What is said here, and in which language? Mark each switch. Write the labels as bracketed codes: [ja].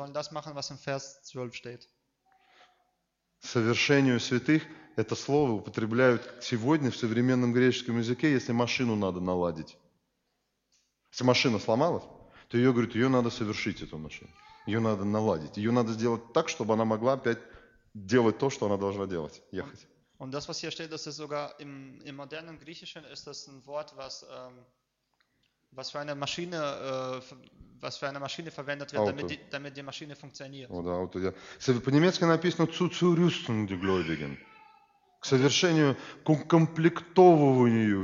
[de] Das machen, was im Vers 12 steht. [ru] Совершению святых это слово употребляют сегодня в современном греческом языке, если машину надо наладить. Если машина сломалась, то ее, говорит, ее надо совершить, эту машину. Ее надо наладить. Ее надо сделать так, чтобы она могла опять делать то, что она должна делать, ехать. [de] Und das, was hier steht, das ist sogar im modernen Griechischen ist das ein Wort, was für eine Maschine verwendet wird, damit die Maschine funktioniert. Oder Auto, ja. [ru] По-немецки написано [de] zu rüsten die Gläubigen. [ru] К совершению, к укомплектовыванию